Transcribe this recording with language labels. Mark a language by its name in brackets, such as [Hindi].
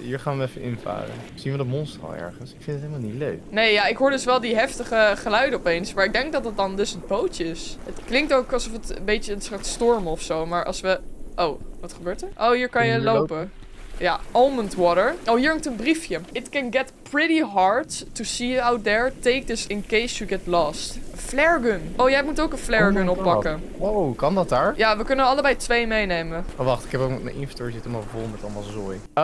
[Dutch] Hier gaan we even invaren. Zien we dat monster al ergens? Ik vind het helemaal niet leuk. Nee, ja, ik hoor dus wel die heftige geluiden opeens. Maar ik denk dat het dan dus het bootje is. Het klinkt ook alsof het een beetje een soort storm of zo, maar als we... Oh, wat gebeurt er? Oh, hier kan je lopen. Ja, almond water. Oh, hier hangt een briefje. [English] It can get pretty hard to see you out there. Take this in case you get lost. Flare gun. [Dutch] Oh, jij moet ook een flare gun oppakken. Oh, kan dat daar? Ja, we kunnen allebei twee meenemen. Oh, wacht. Ik heb ook mijn inventory zit helemaal vol met allemaal zooi.